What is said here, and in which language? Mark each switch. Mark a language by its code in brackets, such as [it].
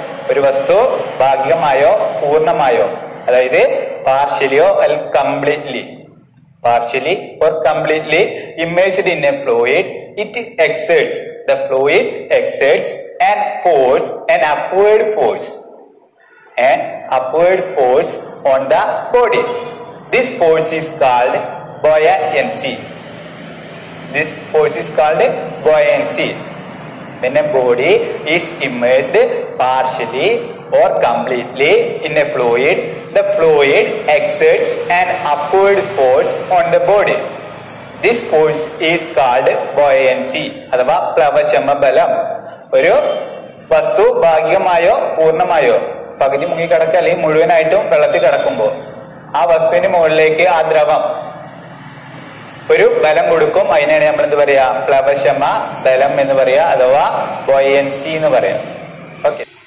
[ml] ഒരു വസ്തു ഭാഗികമായോ പൂർണമായോ, അതായത് [en] പാർഷ്യലിയോ അൽ completely, partially or completely imaged in a fluid, it exerts the fluid exerts and force and upward force and upward force on the body. This force is called buoyancy. This force is called buoyancy. When a body is immersed partially or completely in a fluid, the fluid exerts an upward force on the body. This force is called buoyancy. [ml] അഥവാ പ്ലവശമ ബലം. ഒരു വസ്തു ഭാഗികമായോ പൂർണമായോ, പകുതി മുങ്ങിക്കിടക്കുക അല്ലെങ്കിൽ മുഴുവനായിട്ടും വെള്ളത്തിൽ കിടക്കുമ്പോൾ ആ വസ്തുവിന് മുകളിലേക്ക് ആ ദ്രവം ഒരു ബലം കൊടുക്കും. അതിനാണ് നമ്മൾ എന്ത് പറയാ, പ്ലവശമ ബലം എന്ന് പറയാ, അഥവാ ബോയൻസി എന്ന് പറയാം. ഓക്കെ.